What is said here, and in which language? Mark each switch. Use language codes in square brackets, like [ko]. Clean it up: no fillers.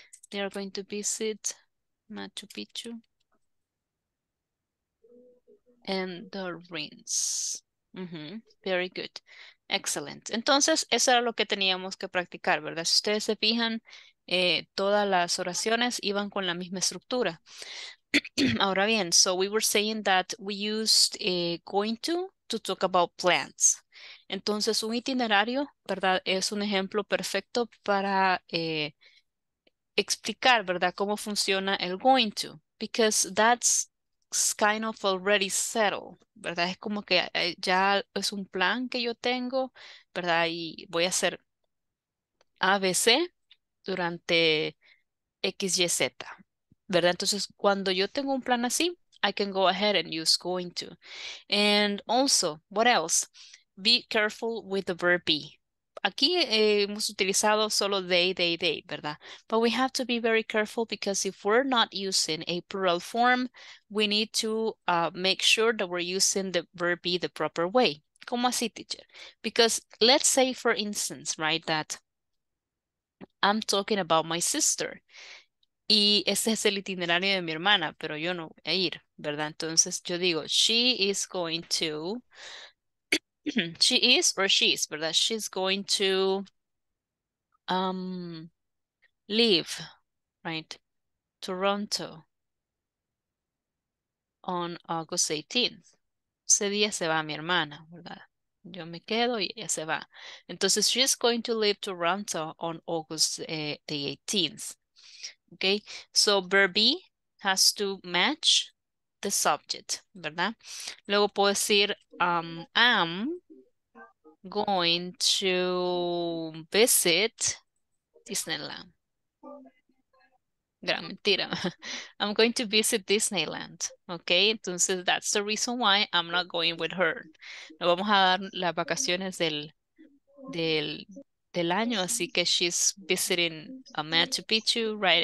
[en] They are going to visit Machu Picchu and the ruins. Very good. Excellent. [es] Entonces, eso era lo que teníamos que practicar, ¿verdad? Si ustedes se fijan, todas las oraciones iban con la misma estructura. Ahora bien, [en] so we were saying that we used going to talk about plans. [es] Entonces, un itinerario, ¿verdad? Es un ejemplo perfecto para explicar, ¿verdad? Cómo funciona el going to. [en] Because that's kind of already settled, ¿verdad? [es] Es como que ya es un plan que yo tengo, ¿verdad? Y voy a hacer ABC durante XYZ, ¿verdad? Entonces, cuando yo tengo un plan así, [en] I can go ahead and use going to. And also, what else? Be careful with the verb be. [es] Aquí hemos utilizado solo they, ¿verdad? [en] But we have to be very careful because if we're not using a plural form, we need to make sure that we're using the verb be the proper way. [es] ¿Cómo así, teacher? [en] Because let's say, for instance, right, that I'm talking about my sister. [es] Y ese es el itinerario de mi hermana, pero yo no voy a ir, ¿verdad? Entonces yo digo, [en] she is going to... She is or she is, ¿verdad? She's going to leave, right? Toronto on August 18th. [es] Ese día se va mi hermana, ¿verdad? Yo me quedo y ella se va. [en] Entonces, she's going to leave Toronto on August the 18th. Okay? So, verb be has to match the subject, ¿verdad? [es] Luego puedo decir, [en] am... going to visit Disneyland. [es] Gran mentira. [en] I'm going to visit Disneyland. Okay, entonces that's the reason why I'm not going with her. [es] No vamos a dar las vacaciones del año, así que [en] she's visiting a Machu Picchu, right?